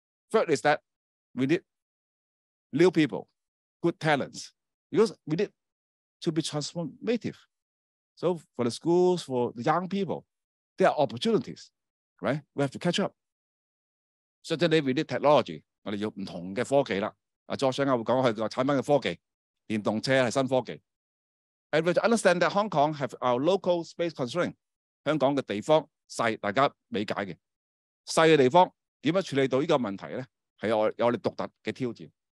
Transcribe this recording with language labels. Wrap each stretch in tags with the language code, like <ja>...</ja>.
<en>Third is that we need new people, good talents, because we need to be transformative. So for the schools, for the young people, there are opportunities, right? We have to catch up. Certainly we need technology.</en> <yue>我们要不同的科技了。再上一下会讲我们的产品的科技，电动车是新科技。</yue> <en>And we understand that Hong Kong have our local space constraint.</en> <yue>香港的地方小，大家理解的。小的地方怎么处理到这个问题呢？是有我们独特的挑战。</yue>